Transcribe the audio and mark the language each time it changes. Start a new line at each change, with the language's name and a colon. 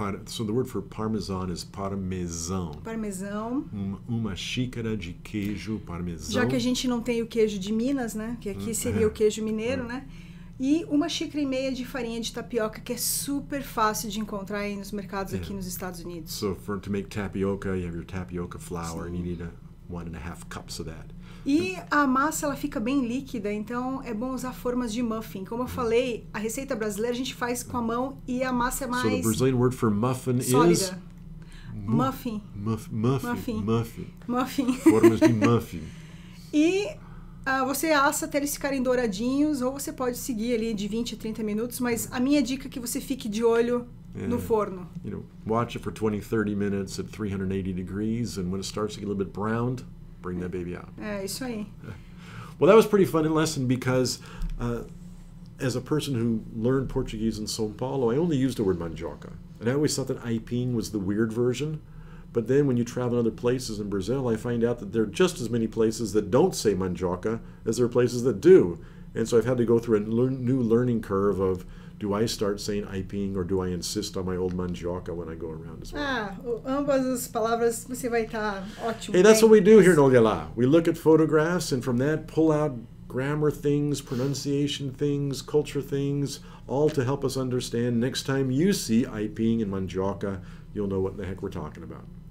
English: So the word for parmesan is parmesão.
Portuguese: Parmesão. Uma xícara de queijo parmesão. Já que a gente não tem o queijo de Minas, né? Que aqui seria o queijo mineiro, né? E uma xícara e meia de farinha de tapioca, que é super fácil de encontrar aí nos mercados aqui nos Estados Unidos.
English: So to make tapioca, you have your tapioca flour,
Portuguese: Sim.
English: and you need one and a half cups of that.
Portuguese: E a massa, ela fica bem líquida, então é bom usar formas de muffin. Como eu falei, a receita brasileira a gente faz com a mão e a massa é
English: So the
Portuguese: mais
English: Brazilian word for muffin is
Portuguese: sólida. Muffin.
English: Muffin. Muffin.
Portuguese: Formas de muffin. Você assa até eles ficarem douradinhos, ou você pode seguir ali de 20 a 30 minutos, mas a minha dica é que você fique de olho no forno.
English: Watch it for 20, 30 minutes at 380 degrees, and when it starts to get a little bit browned, bring that baby out.
Portuguese: É isso aí.
English: Well, that was pretty fun in lesson because as a person who learned Portuguese in São Paulo, I only used the word mandioca. And I always thought that aipim was the weird version. But then when you travel in other places in Brazil, I find out that there are just as many places that don't say mandioca as there are places that do. And so I've had to go through a new learning curve of do I start saying aipim or do I insist on my old mandioca when I go around as well.
Portuguese: Ah, ambas as palavras você vai estar ótimo.
English: Hey, that's
Portuguese: bem.
English: What we do here in Olha Lá. We look at photographs and from that pull out grammar things, pronunciation things, culture things, all to help us understand next time you see aipim and mandioca, you'll know what the heck we're talking about.